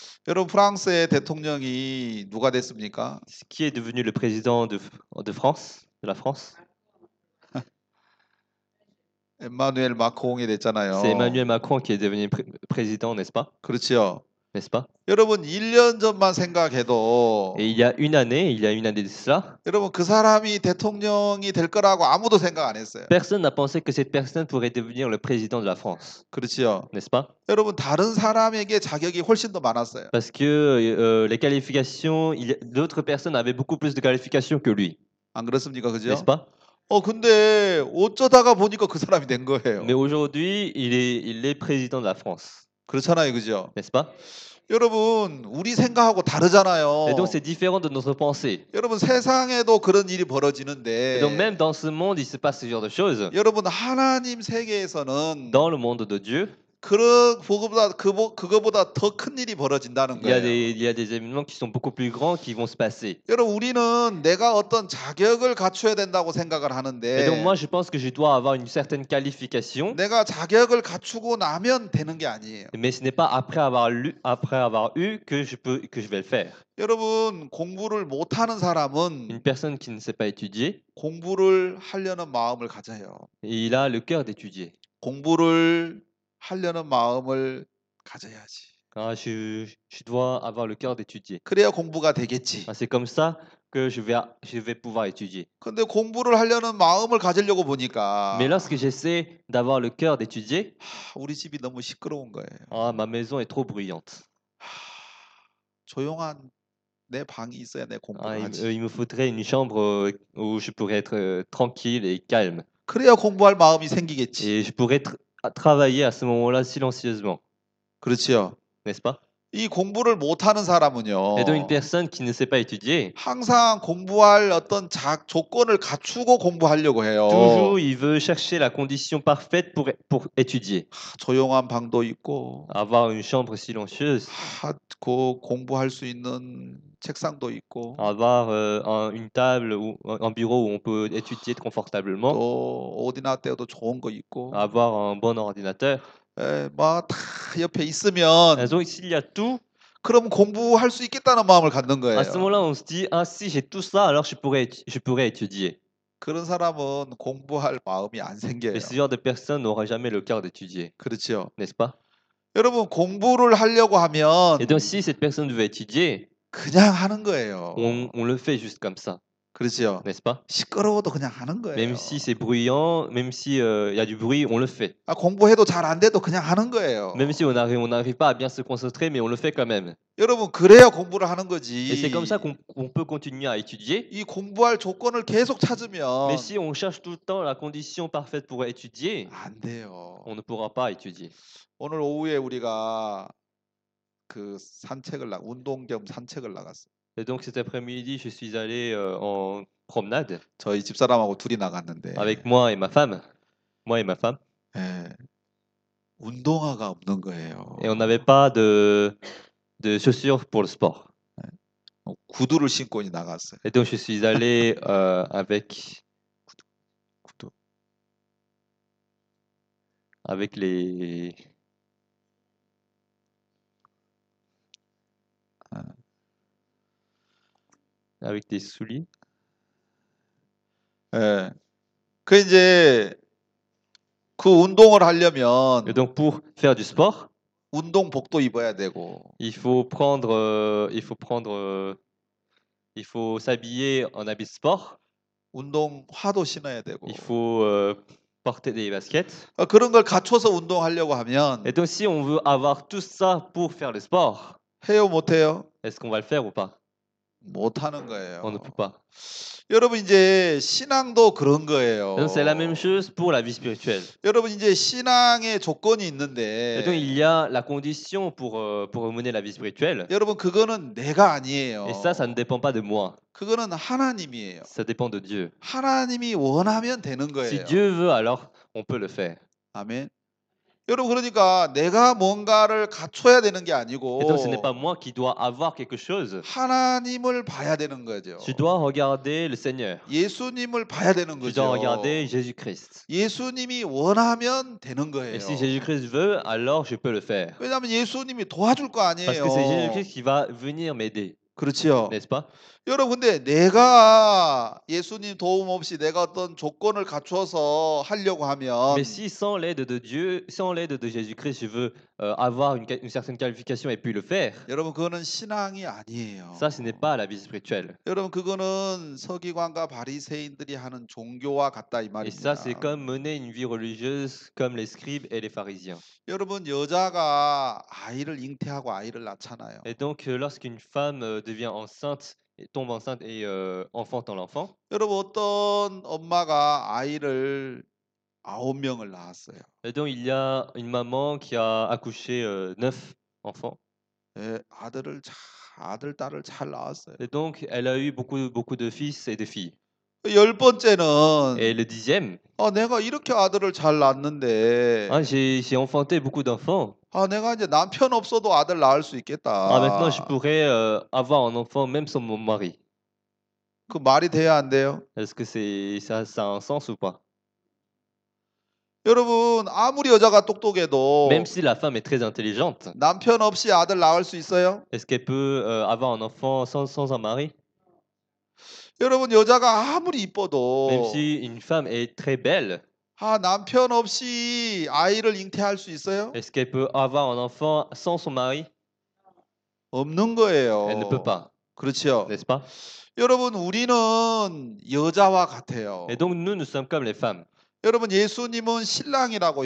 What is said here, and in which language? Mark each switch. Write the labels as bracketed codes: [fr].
[ko] 여러분, 프랑스의 대통령이 누가 됐습니까? [fr] Qui est devenu le président de France, de la France? [ko] 에마뉘엘 마크롱이 [fr] C'est [ko] 됐잖아요. [fr] Emmanuel Macron qui est devenu président, n'est-ce pas? [ko] 그렇죠. [fr] N'est-ce pas? [ko] 여러분, 1년 전만 생각해도 [fr] Et il y a une année de cela, [ko] 여러분, 그 사람이 대통령이 될 거라고 아무도 생각 안 했어요. [fr] personne n'a pensé que cette personne pourrait devenir le président de la France, [ko] 그렇죠. [fr] n'est-ce pas? [ko] 여러분, 다른 사람에게 자격이 훨씬 더 많았어요. [fr] Parce que les qualifications, d'autres personnes avaient beaucoup plus de qualifications que lui. [ko] 안 그렇습니까? 그죠? [fr] N'est-ce pas? [ko] 근데 어쩌다가 보니까 그 사람이 된 거예요. [fr] Mais aujourd'hui, il est président de la France. [ko] 그렇잖아요. 그죠? [fr] N'est-ce pas? [ko] 여러분, 우리 생각하고 [fr] Et donc, [ko] 다르잖아요. [fr] c'est différent de notre pensée. [ko] 여러분, 세상에도 그런 일이 [fr] Et donc, même [ko] 벌어지는데, [fr] dans ce monde, il se passe ce genre de choses. [ko] 여러분, 하나님 세계에서는 [fr] Dans le monde de Dieu, [ko] 그거보다 더큰 일이 벌어진다는 거예요. 이 아이 이아 [fr] qui sont beaucoup plus grands qui vont se passer. [ko] 여러분, 우리는 내가 어떤 자격을 갖춰야 된다고 생각을 하는데, [fr] Et donc moi je pense que je dois avoir une certaine qualification. [ko] 내가 자격을 갖추고 나면 되는 게 아니에요. [fr] Mais ce n'est pas après avoir eu que je vais le faire. [ko] 여러분, 공부를 못하는 사람은 [fr] Une personne qui ne sait pas étudier, [ko] 공부를 하려는 마음을 가져요. [fr] il a le cœur d'étudier. [ko] 공부를 하려는 마음을 가져야지. [fr] Ah, je dois avoir le cœur d'étudier. [ko] 그래야 공부가 되겠지. [fr] Ah, c'est comme ça que je vais pouvoir étudier. [ko] 근데 공부를 하려는 마음을 가지려고 보니까 [fr] Mais lorsque j'essaie d'avoir le cœur d'étudier, [ko] 우리 집이 너무 시끄러운 거예요. [fr] 아, ma maison est trop bruyante. [ko] 조용한 내 방이 있어야 내 공부를 [fr] Ah, [ko] 하지. [fr] il me faudrait une chambre où je pourrais être tranquille et calme. [ko] 그래야 공부할 마음이 생기겠지. [fr] et je pourrais travailler à ce moment-là silencieusement. [ko] 그렇지요. [fr] N'est-ce pas? [ko] 이 공부를 못하는 사람은요, [fr] Et donc une personne qui ne sait pas étudier, [ko] 항상 공부할 어떤 조건을 갖추고 공부하려고 해요. [fr] toujours il veut chercher la condition parfaite pour étudier. [ko] 조용한 방도 있고, [fr] Avoir une chambre silencieuse. [ko] 공부할 수 있는 책상도 있고, [fr] Avoir une table ou un bureau où on peut étudier confortablement. [ko] 또 오디나테어도 좋은 거 있고, [fr] Avoir un bon ordinateur. [ko] 막다 옆에 [fr] Et [ko] 있으면 [fr] donc s'il y a tout, [ko] 그럼 공부할 수 있겠다는 마음을 갖는 [fr] à ce moment-là, on se dit, ah, si j'ai tout ça, alors je pourrais étudier. [ko] 그런 사람은 공부할 마음이 안 생겨요. [fr] Mais ce genre de personne n'aura jamais le cœur d'étudier, [ko] 그렇죠? [fr] n'est-ce pas? [ko] 여러분, 공부를 하려고 하면 [fr] Et donc si cette personne veut étudier, [ko] 그냥 하는 거예요. [fr] on le fait juste comme ça. [ko] 그렇지요. [fr] n'est-ce pas? [ko] 시끄러워도 그냥 하는 [fr] Même si [ko] 거예요. [fr] c'est bruyant, même si il y a du bruit, on le fait. [ko] 아, 공부해도 잘안 돼도 그냥 하는 거예요. [fr] Même si on n'arrive pas à bien se concentrer, mais on le fait quand même. [ko] 여러분, 그래야 공부를 하는 [fr] Et c'est comme ça [ko] 거지. [fr] qu'on peut continuer à étudier. [ko] 이 공부할 조건을 계속 찾으면 [fr] si on cherche tout le temps la condition parfaite pour étudier, [ko] 안 돼요. [fr] on ne pourra pas étudier. [ko] 오늘 오후에 우리가 그 산책을 나 운동 겸 산책을 나갔어. [fr] Et donc cet après-midi, je suis allé en promenade [ko] 저희 집사람하고 둘이 나갔는데, [fr] avec moi et ma femme. Moi et ma femme. [ko] 예, 운동화가 없는 거예요. [fr] Et on n'avait pas de chaussures pour le sport. [ko] 구두를 신고 나갔어요. [fr] Et donc je suis allé avec les. Avec des souliers. [ko] 예, 그 이제 그 운동을 하려면 [fr] Et donc pour faire du sport, [ko] 운동복도 입어야 되고, [fr] il faut s'habiller en habit sport, [ko] 운동화도 신어야 [fr] il [ko] 되고, [fr] faut porter des baskets. [ko] 그런 걸 갖춰서 운동하려고 하면 [fr] Et donc si on veut avoir tout ça pour faire le sport, [ko] 해요, 못해요? [fr] est-ce qu'on va le faire ou pas? [ko] 못하는 [fr] On ne peut [ko] 거예요. [fr] pas. [ko] 여러분 이제 신앙도 그런 [fr] Donc c'est la même [ko] 거예요. [fr] chose pour la vie spirituelle. [ko] 여러분 이제 신앙의 조건이 [fr] Et donc il [ko] 있는데 [fr] y a la condition pour mener la vie spirituelle. [ko] 여러분 그거는 내가 [fr] Et ça ne [ko] 아니에요. [fr] dépend pas de moi. [ko] 그거는 하나님이에요. [fr] Ça dépend de Dieu. [ko] 하나님이 원하면 되는 [fr] Si [ko] 거예요. [fr] Dieu veut, alors on peut le faire. [ko] 아멘. 여러분 그러니까 내가 뭔가를 갖춰야 되는 게 [fr] Et donc ce n'est [ko] 아니고 [fr] pas moi qui dois avoir quelque chose. [ko] 하나님을 봐야 되는 거죠. [fr] Tu dois regarder le Seigneur. [ko] 예수님을 봐야 되는 [fr] Tu dois regarder [ko] 거죠. [fr] Jésus-Christ. [ko] 예수님이 원하면 되는 [fr] Et si [ko] 거예요. [fr] Jésus-Christ veut, alors je peux le faire. [ko] 왜냐하면 예수님이 도와줄 거 [fr] Parce que c'est [ko] 아니에요. [fr] Jésus-Christ qui va venir m'aider. [ko] 그렇지요. [fr] N'est-ce pas? [ko] 여러분, 근데 내가 예수님 도움 없이 내가 어떤 조건을 갖춰서 하려고 [fr] Mais [ko] 하면 [fr] si sans l'aide de Dieu, sans l'aide de Jésus-Christ, je veux avoir une certaine qualification et puis le faire, [ko] 여러분, 그거는 신앙이 아니에요. [fr] ça, ce n'est pas la vie spirituelle. [ko] 여러분, 그거는 서기관과 바리새인들이 하는 종교와 같다 이 [fr] Et ça, c'est [ko] 말입니다. [fr] comme mener une vie religieuse comme les scribes et les pharisiens. [ko] 여러분, 여자가 아이를 잉태하고 아이를 낳잖아요. [fr] Et donc, lorsqu'une femme devient enceinte, tombe enceinte et enfante dans l'enfant, [ko] 여러분, 어떤 엄마가 아이를 9명을 낳았어요. [fr] Et donc, il y a une maman qui a accouché 9 enfants. [ko] 예, 아들, 딸을 잘 낳았어요. [fr] Et donc, elle a eu beaucoup de fils et de filles. [ko] 10번째는, [fr] Et le dixième, [ko] 내가 이렇게 아들을 잘 낳았는데, [fr] j'ai enfanté beaucoup d'enfants. [ko] 내가 이제 남편 없어도 아들 낳을 수 [fr] Ah, maintenant, je [ko] 있겠다. [fr] pourrais avoir un enfant même sans mon mari. [ko] 그 말이 돼야 안 돼요? [fr] Est-ce que ça a un sens ou pas? [ko] 여러분, 아무리 여자가 [fr] Même [ko] 똑똑해도 [fr] si la femme est très intelligente, [ko] 남편 없이 아들 낳을 수 있어요? [fr] est-ce qu'elle peut avoir un enfant sans un mari? [ko] 여러분, 여자가 아무리 [fr] Même [ko] 이뻐도 [fr] si une femme est très belle, [ko] 남편 없이 아이를 잉태할 수 있어요? [fr] est-ce qu'elle peut avoir un enfant sans son mari? [ko] 없는 [fr] Elle ne peut [ko] 거예요. [fr] pas, [ko] 그렇죠? [fr] n'est-ce pas? [ko] 여러분, 우리는 여자와 [fr] Et [ko] 같아요. [fr] donc nous sommes comme les femmes. [ko] 여러분, 예수님은 신랑이라고